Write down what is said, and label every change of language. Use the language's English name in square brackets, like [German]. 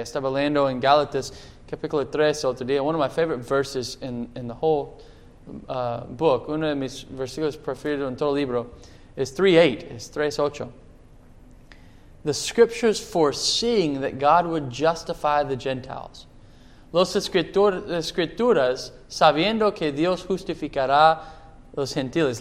[Spanish] Estaba leyendo en Gálatas capítulo 3 el otro día. [English] One of my favorite verses in the whole book, [Spanish] uno de mis versículos preferidos en todo el libro, es 3:8. [English] The scriptures foreseeing that God would justify the Gentiles. [Spanish] Los escrituras sabiendo que Dios justificará los gentiles.